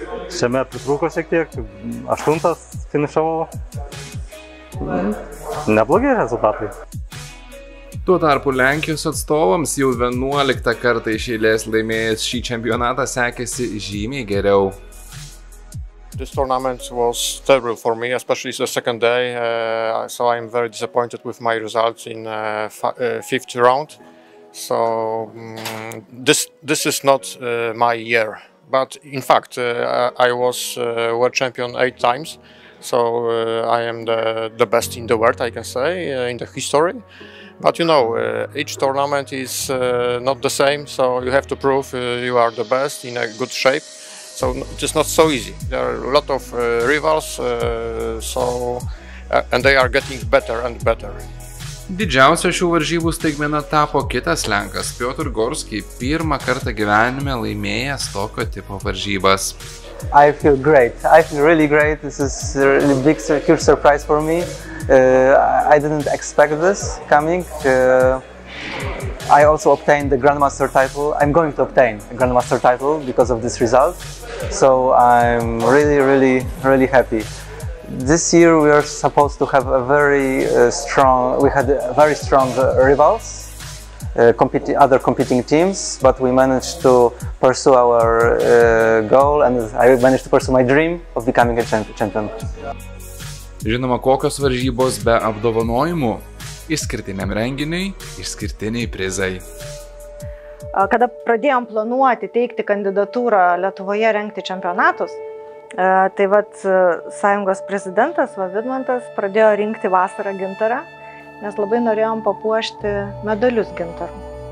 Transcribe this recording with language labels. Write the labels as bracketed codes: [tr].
[lt] Šiame pritrūko šiek tiek, aštuntas finišavau. Neblogi rezultatai. Tuo tarpu Lenkijos atstovams jau 11 kartą iš eilės laimėjęs šį čempionatą sekėsi žymiai geriau. [en] This tournament was terrible for me, especially the second day, so I'm very disappointed with my results in fifth round. So this is not my year. But in fact, I was world champion 8 times, so I am the best in the world, I can say, in the history. But you know, each tournament is not the same, so you have to prove you are the best in a good shape. So it is not so easy. There are a lot of rivals, and they are getting better and better. [lt] Didžiausia šių varžybų staigmena tapo kitas Lenkas, Piotr Gorski, pirmą kartą gyvenime laimėjęs tokio tipo varžybas. [en] I feel great. I feel really great. This is a really big, huge surprise for me. I didn't expect this coming. I also obtained the Grandmaster title. I'm going to obtain a Grandmaster title because of this result. So I'm really, really, really happy. This year we are supposed to have a very strong, we had very strong rivals, other competing teams, but we managed to pursue our goal and I managed to pursue my dream of becoming a champion. [lt] Žinoma, kokios varžybos be apdovanojimų? Išskirtiniam renginiui, išskirtiniai prizai. Kada pradėjom planuoti teikti kandidatūrą Lietuvoje rengti čempionatus, tai vat sąjungos prezidentas Vidmantas pradėjo rinkti vasarą gintarą, nes labai norėjom papuošti medalius gintaru.